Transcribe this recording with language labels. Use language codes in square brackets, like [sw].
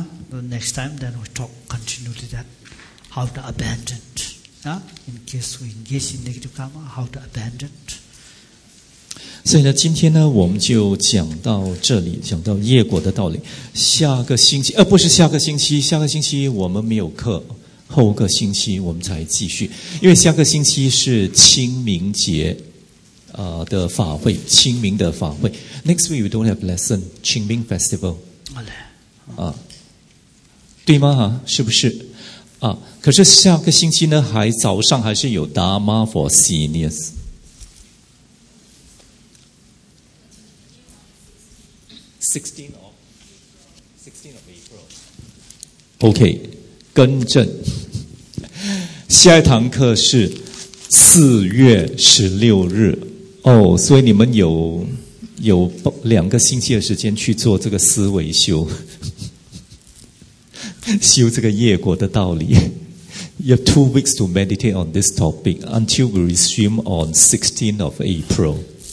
[en] The next time, then we talk continue to that how to abandon. In case we engage in negative karma, how to abandon it? [zh] 所以呢，今天呢，我们就讲到这里，讲到业果的道理。下个星期，不是下个星期，下个星期我们没有课，后个星期我们才继续，因为下个星期是清明节，的法会，清明的法会。 [en] Next week we don't have lesson, [zh] 清明 [en] festival. [zh] 好嘞，对吗？是不是？可是下个星期呢，还早上还是有 Dharma for Seniors。 [en] 16 of April. [zh] OK, 更正。下一堂课是4月16日。所以你们有两个星期的时间去做这个思维修。修这个业果的道理。 [en] You have 2 weeks to meditate on this topic until we resume on 16th of April.